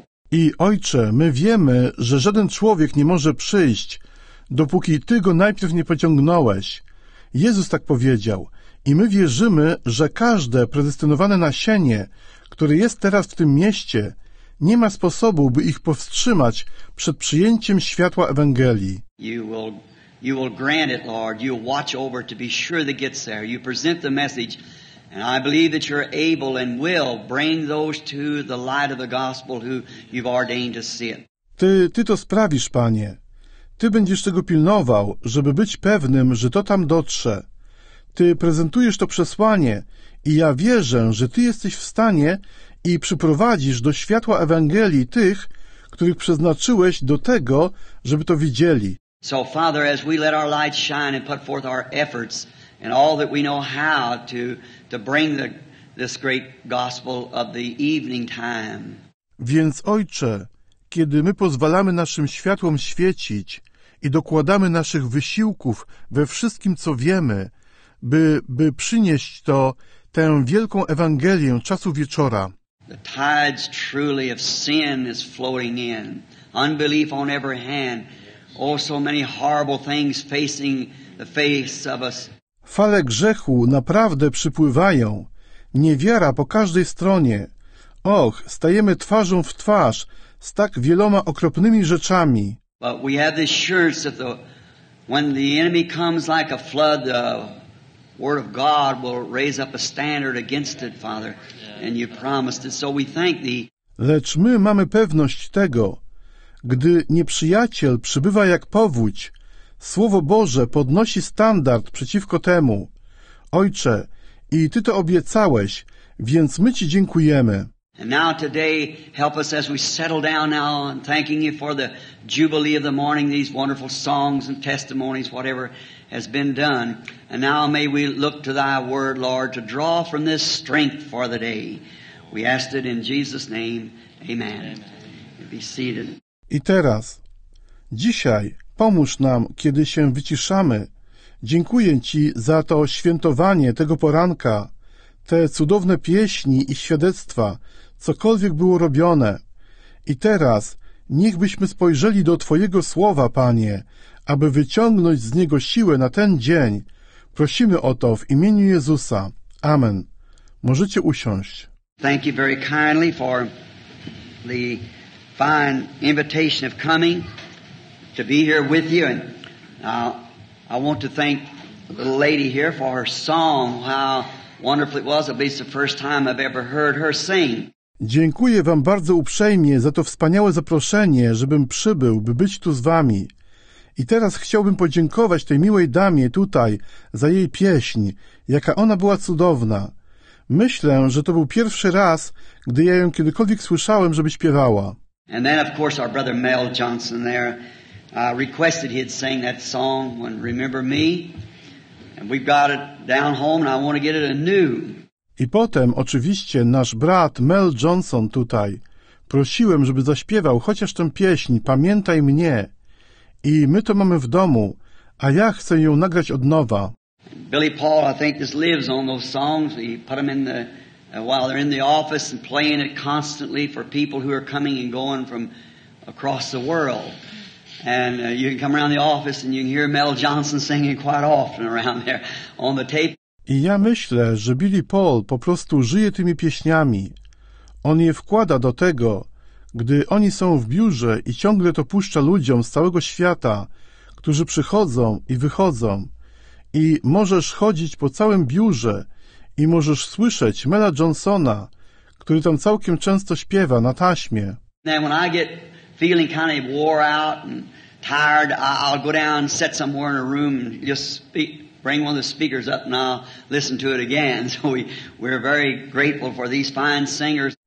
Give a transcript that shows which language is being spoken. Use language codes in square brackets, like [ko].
[pl] I Ojcze, my wiemy, że żaden człowiek nie może przyjść, dopóki Ty go najpierw nie pociągnąłeś. Jezus tak powiedział i my wierzymy, że każde predestynowane nasienie, które jest teraz w tym mieście, nie ma sposobu, by ich powstrzymać przed przyjęciem światła Ewangelii. [en] You will grant it, Lord. You'll watch over to be sure that gets there. You present the message and I believe that you're able and will bring those to the light of the gospel who you've ordained to see it. [pl] Ty to sprawisz, Panie. Ty będziesz tego pilnował, żeby być pewnym, że to tam dotrze. Ty prezentujesz to przesłanie i ja wierzę, że Ty jesteś w stanie i przyprowadzisz do światła Ewangelii tych, których przeznaczyłeś do tego, żeby to widzieli. [en] So, Father, as we let our light shine and put forth our efforts and all that we know how to bring this great gospel of the evening time. [pl] Więc, Ojcze, kiedy my pozwalamy naszym światłom świecić i dokładamy naszych wysiłków we wszystkim, co wiemy, by przynieść to, tę wielką Ewangelię czasu wieczora. [en] The tides truly of sin is flowing in. Unbelief on every hand. Oh, so many horrible things facing the face of us. [pl] Fale grzechu naprawdę przypływają. Niewiara po każdej stronie. Och, stajemy twarzą w twarz z tak wieloma okropnymi rzeczami. [en] But we have the assurance that when the enemy comes like a flood, the word of God will raise up a standard against it, Father, and you promised it, so we thank thee. [pl] Lecz my mamy pewność tego, gdy nieprzyjaciel przybywa jak powódź, Słowo Boże podnosi standard przeciwko temu. Ojcze, i Ty to obiecałeś, więc my Ci dziękujemy. [en] And now today, help us as we settle down now and thanking you for the jubilee of the morning, these wonderful songs and testimonies, whatever has been done. And now may we look to thy word, Lord, to draw from this strength for the day. We ask it in Jesus' name. Amen. Amen. Be seated. [pl] I teraz, dzisiaj, pomóż nam, kiedy się wyciszamy. Dziękuję Ci za to świętowanie tego poranka. Te cudowne pieśni i świadectwa, cokolwiek było robione. I teraz niech byśmy spojrzeli do Twojego słowa, Panie, aby wyciągnąć z niego siłę na ten dzień. Prosimy o to w imieniu Jezusa. Amen. Możecie usiąść. [en] Thank you very kindly for the fine invitation of coming to be here with you. And I want to thank the lady here for her song, how wonderful it was, at least the first time I've ever heard her sing. [pl] Dziękuję wam bardzo uprzejmie za to wspaniałe zaproszenie, żebym przybył, by być tu z wami. I teraz chciałbym podziękować tej miłej damie tutaj za jej pieśń, jaka ona była cudowna. Myślę, że to był pierwszy raz, gdy ja ją kiedykolwiek słyszałem, żeby śpiewała. [en] And then of course our brother Mel Johnson there requested he'd sing that song when Remember Me. And we've got it down home and I want to get it anew. [pl] I potem oczywiście nasz brat Mel Johnson tutaj prosiłem, żeby zaśpiewał chociaż tę pieśń Pamiętaj mnie. I my to mamy w domu, a ja chcę ją nagrać od nowa. [en] Billy Paul, I think, just lives on those songs. He put them in the while they're in the office and playing it constantly for people who are coming and going from across the world. And you can come around the office and you can hear Mel Johnson singing quite often around there on the tape. [pl] I ja myślę, że Billy Paul po prostu żyje tymi pieśniami. On je wkłada do tego, gdy oni są w biurze i ciągle to puszcza ludziom z całego świata, którzy przychodzą i wychodzą. I możesz chodzić po całym biurze i możesz słyszeć Mela Johnsona, który tam całkiem często śpiewa na taśmie. [en] Now when I get feeling kind of wore out and tired, I'll go down and sit somewhere in a room and just speak. Bring one of the speakers up and I'll listen to it again. So we're very grateful for these fine singers.